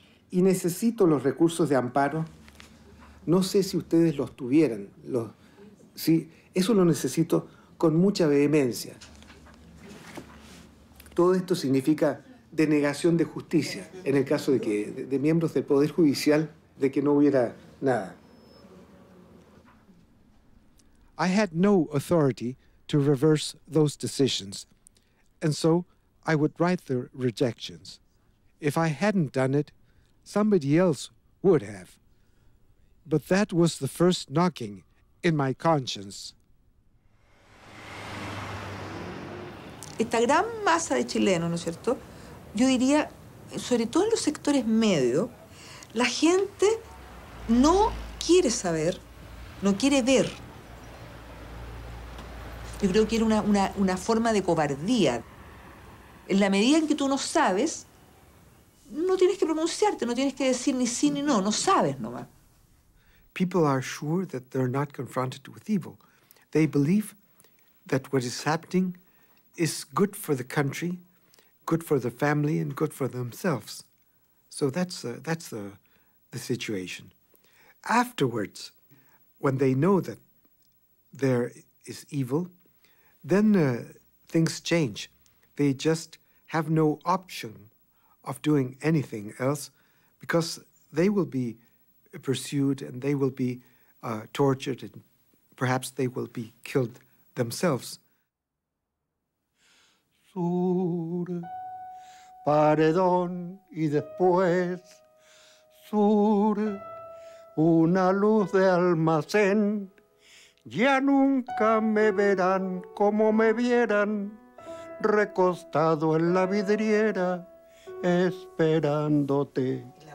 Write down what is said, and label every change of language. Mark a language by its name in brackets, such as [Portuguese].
[Spanish] Y necesito los recursos de amparo. No sé si ustedes los tuvieran. Sí, eso lo necesito con mucha vehemencia. Todo esto significa denegación de justicia en el caso de que de miembros del Poder Judicial, de que no hubiera nada. [English] I had no authority to reverse those decisions, and so I would write the rejections. If I hadn't done it, somebody else would have. But that was the first knocking in my conscience. [Spanish] Esta gran masa de chilenos, ¿no es cierto? Yo diría, sobre todo en los sectores medios, la gente no quiere saber, no quiere ver. Yo creo que era una forma de cobardía. En la medida en que tú no sabes, no tienes que pronunciarte, no tienes que decir ni sí ni no, no sabes nomás. [English] People are sure that they're not confronted with evil. They believe that what is happening is good for the country, good for the family, and good for themselves. So that's the situation. Afterwards, when they know that there is evil, then things change. They just have no option of doing anything else because they will be pursued and they will be tortured and perhaps they will be killed themselves. [Spanish] Sur, paredón y después, sur, una luz de almacén. Ya nunca me verán como me vieran, recostado en la vidriera, esperándote.